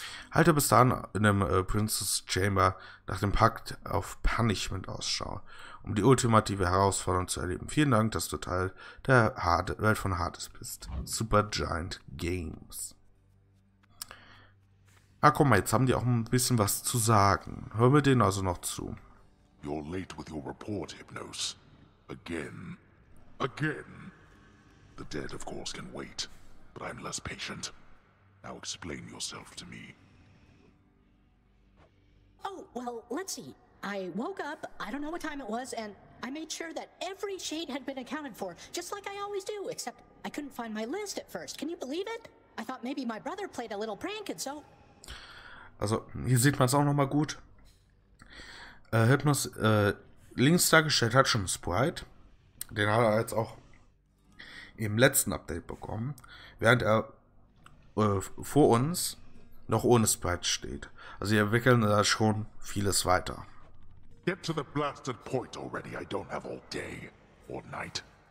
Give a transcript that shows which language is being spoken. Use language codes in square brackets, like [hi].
[de] Halte bis dahin in dem Princess Chamber nach dem Pakt auf Punishment Ausschau, um die ultimative Herausforderung zu erleben. Vielen Dank, dass du Teil der Welt von Hades bist. Supergiant Games. Ah, guck mal, jetzt haben die auch ein bisschen was zu sagen. Hören wir denen also noch zu. [en] You're late with your report, Hypnos. Again. Again. The dead, of course, can wait. But I'm less patient. Now explain yourself to me. Oh, well, let's see. I woke up, I don't know what time it was, and I made sure that every shade had been accounted for, just like I always do, except I couldn't find my list at first. Can you believe it? I thought maybe my brother played a little prank, and so... [de] Also, hier sieht man es auch nochmal gut. Hypnos links dargestellt hat schon einen Sprite. Den hat er jetzt auch im letzten Update bekommen. Während er vor uns noch ohne Sprite steht. Also, wir entwickeln da schon vieles weiter. [en] Get to the blasted point already. I don't have all day or night.